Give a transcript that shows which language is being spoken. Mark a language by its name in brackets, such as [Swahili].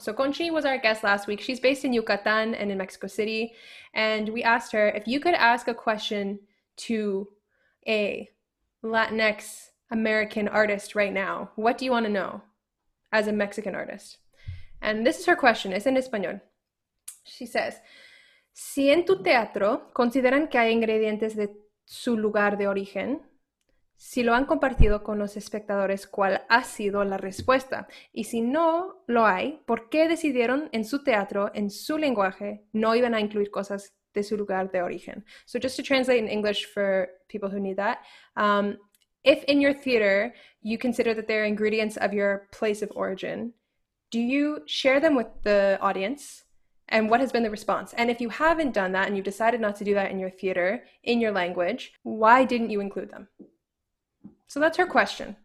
[English] So Conchi was our guest last week. She's based in Yucatan and in Mexico City. And we asked her, if you could ask a question to a Latinx American artist right now, what do you want to know as a Mexican artist? And this is her question. It's in Espanol. She says, [Spanish] si en tu teatro consideran que hay ingredientes de su lugar de origen, si lo han compartido con los espectadores, ¿cuál ha sido la respuesta? Y si no lo hay, ¿por qué decidieron en su teatro, en su lenguaje, no iban a incluir cosas de su lugar de origen? [English] So just to translate in English for people who need that, if in your theater you consider that they're ingredients of your place of origin, do you share them with the audience? And what has been the response? And if you haven't done that and you've decided not to do that in your theater, in your language, why didn't you include them? So that's her question.